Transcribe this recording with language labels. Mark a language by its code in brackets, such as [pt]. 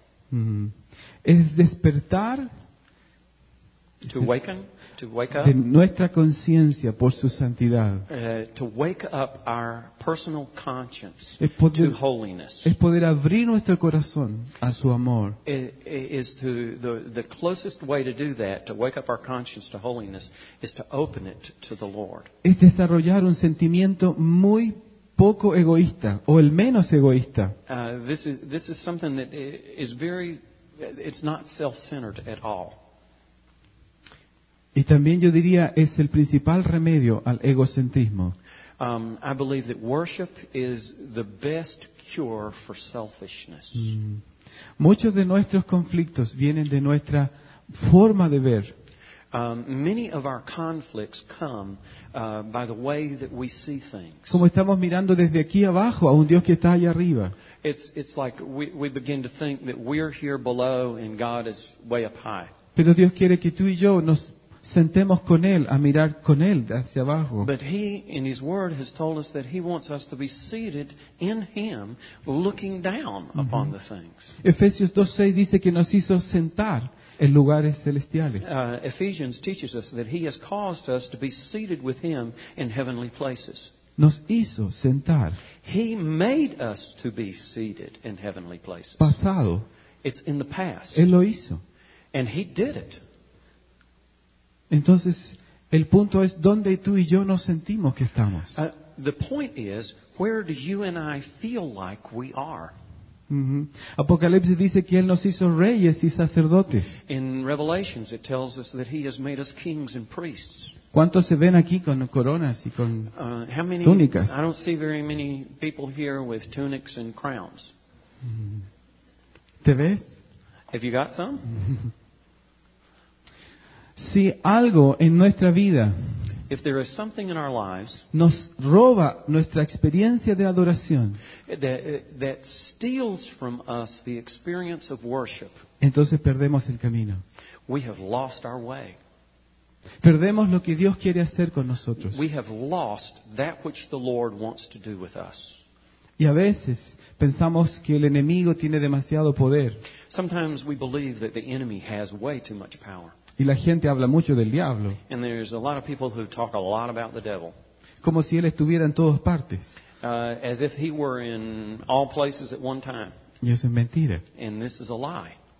[es] Mm-hmm. Es despertar. [en] To awaken. To wake up. [es] De nuestra conciencia por su santidad. [en] To wake up our personal conscience [es] es poder, [en] to holiness. [es] Es poder abrir nuestro corazón a su amor. [en] Is to the closest way to do that, to wake up our conscience to holiness, is to open it to the Lord. [es] Es desarrollar un sentimiento muy poco egoísta o el menos egoísta. [en] This is something that is very, it's not self-centered at all. [es] Y también yo diría es el principal remedio al egocentrismo. [en] I believe that worship is the best cure for selfishness. [es] Muchos de nuestros conflictos vienen de nuestra forma de ver. [en] Many of our conflicts come by the way that we see things. [es] Como estamos mirando desde aquí abajo a un Dios que está allá arriba. [en] It's like we begin to think that we're here below and God is way up high. [es] Pero Dios quiere que tú y yo nos sentemos con Él, a mirar con Él hacia abajo. [en] But He, in His Word, has told us that He wants us to be seated in Him, looking down upon the things. [es] Efesios 2:6 dice que nos hizo sentar en lugares celestiales. [en] Ephesians teaches us that He has caused us to be seated with Him in heavenly places. [es] Nos hizo sentar. [en] He made us to be seated in heavenly places. [es] Pasado. [en] It's in the past. [es] Él lo hizo. [en] And He did it. [es] Entonces, El punto es dónde tú y yo nos sentimos que estamos. [en] The point is, where do you and I feel like we are? Mm-hmm. [es] Apocalipsis dice que Él nos hizo reyes y sacerdotes. [en] In Revelations it tells us that He has made us kings and priests. [es] ¿Cuántos se ven aquí con coronas y con túnicas? [en] I don't see very many people here with tunics and crowns. [es] ¿Te ves? [en] Have you got some? [es] Si algo en nuestra vida [en] if there is something in our lives [es] nos roba nuestra experiencia de adoración, [en] that steals from us the experience of worship, [es] entonces perdemos el camino. [en] We have lost our way. [es] Perdemos lo que Dios quiere hacer con nosotros. [en] We have lost that which the Lord wants to do with us. [es] Y a veces pensamos que el enemigo tiene demasiado poder. [en] Sometimes we believe that the enemy has way too much power. [es] Y la gente habla mucho del diablo. [en] And there's a lot of people who talk a lot about the devil. [es] Como si él estuviera en todas partes. [en] As if he were in all places at one time. [es] Y eso es mentira. [en] And this is a lie.